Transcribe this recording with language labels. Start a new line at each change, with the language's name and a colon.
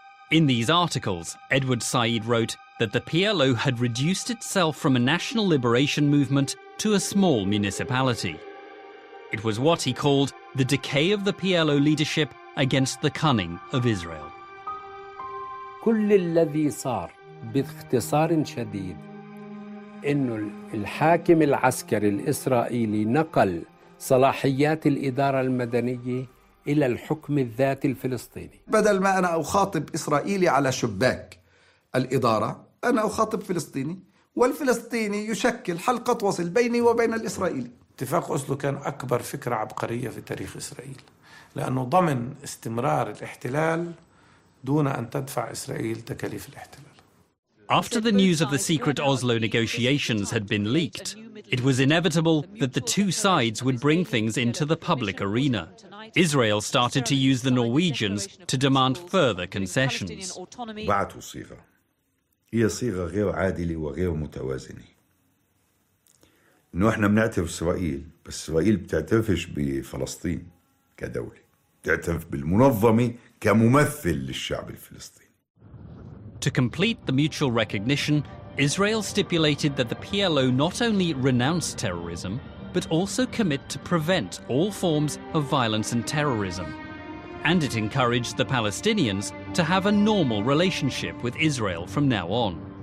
English: In these articles, Edward Said wrote that the PLO had reduced itself from a national liberation movement to a small municipality. It was what he called the decay of the PLO leadership against the cunning of Israel.
Arabic: كل الذي صار باختصار شديد إنه الحاكم العسكري الإسرائيلي نقل صلاحيات الإدارة المدنية إلى الحكم الذاتي الفلسطيني. بدل ما أنا أخاطب إسرائيلي على شباك الإدارة، أنا أخاطب فلسطيني، والفلسطيني يشكل حلقة وصل بيني وبين الإسرائيلي. اتفاق أوسلو كان أكبر فكرة عبقرية في تاريخ إسرائيل، لأنه ضمن استمرار الاحتلال دون أن تدفع إسرائيل تكاليف الاحتلال.
English: After the news of the secret Oslo negotiations had been leaked, it was inevitable that the two sides would bring things into the public arena. Israel started to use the Norwegians to demand further concessions.
Arabic: بعتوا صيغة هي صيغة غير عادلة وغير متوازنة. إنه إحنا بنعترف إسرائيل، بس إسرائيل بتعترفش بفلسطين كدولة، بتعترف بالمنظمة كممثل للشعب الفلسطيني.
English: To complete the mutual recognition, Israel stipulated that the PLO not only renounce terrorism, but also commit to prevent all forms of violence and terrorism. And it encouraged the Palestinians to have a normal relationship with Israel from now on.